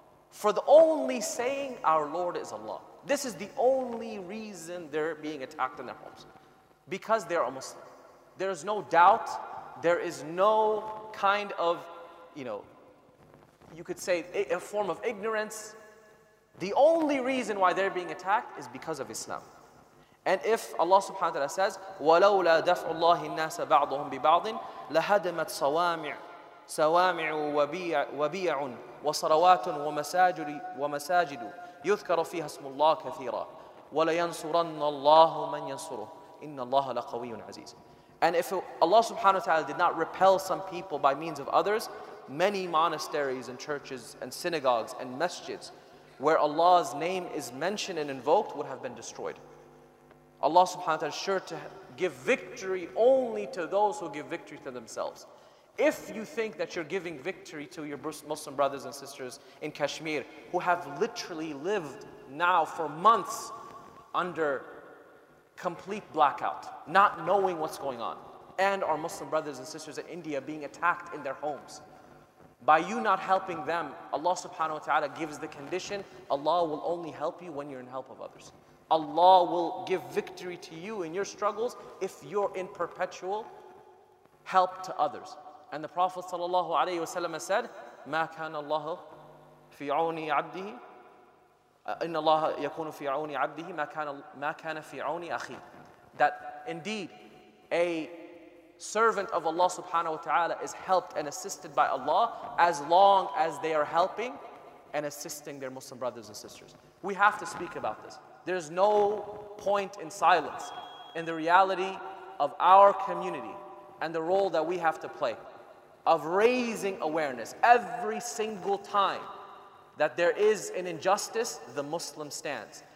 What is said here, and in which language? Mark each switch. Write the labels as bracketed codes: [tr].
[en] For the only saying, our Lord is Allah. This is the only reason they're being attacked in their homes. Because they're a Muslim. There is no doubt, there is no kind of, you know, you could say a form of ignorance. The only reason why they're being attacked is because of Islam. And if Allah subhanahu wa ta'ala says, [ar] وَلَوْلَا دَفْعُ اللَّهِ النَّاسَ بَعْضُهُمْ بِبَعْضٍ لَهَدَمَتْ صَوَامِعُ وَبِيَعٌ وَصَرَوَاتٌ وَمَسَاجِدُ يُذْكَرُ فِيهَا اسْمُ اللَّهِ كَثِيرًا وَلَيَنْصُرَنَّ اللَّهُ مَنْ يَنْصُرُهُ إِنَّ اللَّهَ لَقَوِيٌ عَزِيزٌ. [en] And if Allah subhanahu wa ta'ala did not repel some people by means of others, many monasteries and churches and synagogues and masjids where Allah's name is mentioned and invoked would have been destroyed. Allah subhanahu wa ta'ala is sure to give victory only to those who give victory to themselves. If you think that you're giving victory to your Muslim brothers and sisters in Kashmir who have literally lived now for months under complete blackout, not knowing what's going on, and our Muslim brothers and sisters in India being attacked in their homes, by you not helping them, Allah subhanahu wa ta'ala gives the condition, Allah will only help you when you're in help of others. Allah will give victory to you in your struggles if you're in perpetual help to others. And the Prophet sallallahu alayhi wa sallam said, [ar] مَا كَانَ اللَّهُ فِي عَوْنِ عَبْدِهِ إِنَّ اللَّهَ يَكُونُ فِي عَوْنِ عَبْدِهِ مَا كَانَ فِي عَوْنِ أَخِي. [en] That indeed, a servant of Allah subhanahu wa ta'ala is helped and assisted by Allah as long as they are helping and assisting their Muslim brothers and sisters. We have to speak about this. There's no point in silence in the reality of our community and the role that we have to play of raising awareness every single time that there is an injustice, the Muslim stands.